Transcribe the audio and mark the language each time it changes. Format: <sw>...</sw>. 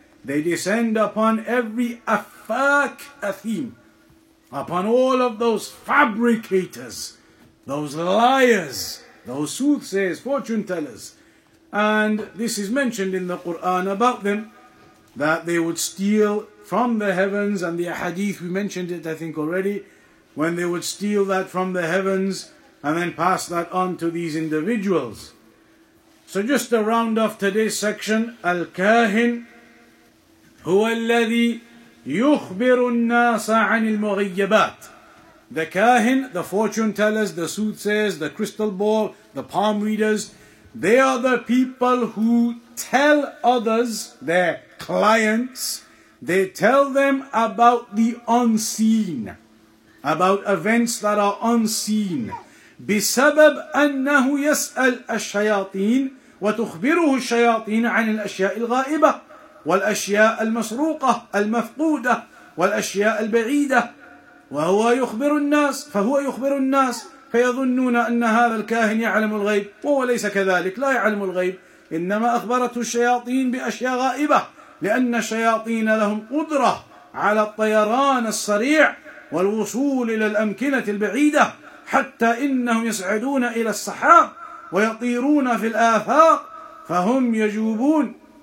<en>They descend upon every affak athim, upon all of those fabricators, those liars, those soothsayers, fortune tellers. And this is mentioned in the Quran about them, that they would steal from the heavens, and the hadith, we mentioned it I think already, when they would steal that from the heavens and then pass that on to these individuals. So just to round off today's section, Al-Kahin,</en> <ar>هو الذي يخبر الناس عن المغيبات.</ar> <en>The kahin, the fortune tellers, the soothsayers, the crystal ball, the palm readers, they are the people who tell others, their clients, they tell them about the unseen, about events that are unseen.</en> <ar>بسبب أنه يسأل الشياطين وتخبره الشياطين عن الأشياء الغائبة والأشياء المسروقة المفقودة والأشياء البعيدة وهو يخبر الناس فهو يخبر الناس فيظنون أن هذا الكاهن يعلم الغيب وهو ليس كذلك لا يعلم الغيب إنما أخبرته الشياطين بأشياء غائبة لأن الشياطين لهم قدرة على الطيران السريع والوصول إلى الأمكنة البعيدة حتى إنهم يصعدون إلى السحاب ويطيرون في الآفاق فهم يجوبون</ar>